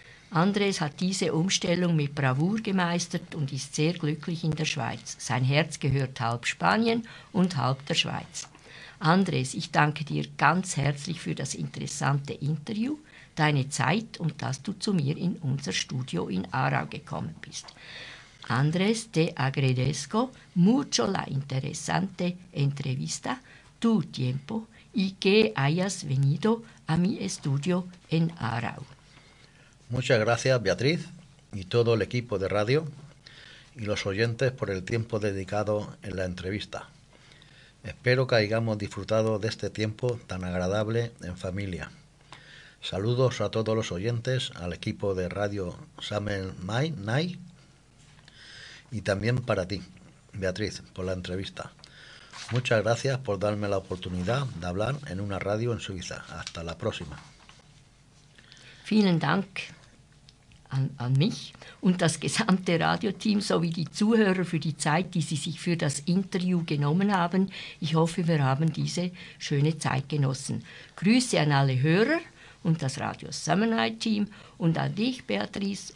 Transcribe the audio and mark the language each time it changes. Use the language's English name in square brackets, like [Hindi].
[German] Andres hat diese Umstellung mit Bravour gemeistert und ist sehr glücklich in der Schweiz. Sein Herz gehört halb Spanien und halb der Schweiz. Andres, ich danke dir ganz herzlich für das interessante Interview, deine Zeit und dass du zu mir in unser Studio in Aarau gekommen bist. [Spanish] Andres, te agradezco mucho la interesante entrevista, tu tiempo y que hayas venido a mi estudio en Aarau. Muchas gracias, Beatriz, y todo el equipo de radio y los oyentes por el tiempo dedicado en la entrevista. Espero que hayamos disfrutado de este tiempo tan agradable en familia. Saludos a todos los oyentes, al equipo de radio Samuel Mai, y también para ti, Beatriz, por la entrevista. Muchas gracias por darme la oportunidad de hablar en una radio en Suiza. Hasta la próxima. [German] Vielen Dank an mich und das gesamte Radioteam sowie die Zuhörer für die Zeit, die sie sich für das Interview genommen haben. Ich hoffe, wir haben diese schöne Zeit genossen. Grüße an alle Hörer und das Radio Summer Night Team und an dich, Beatrice.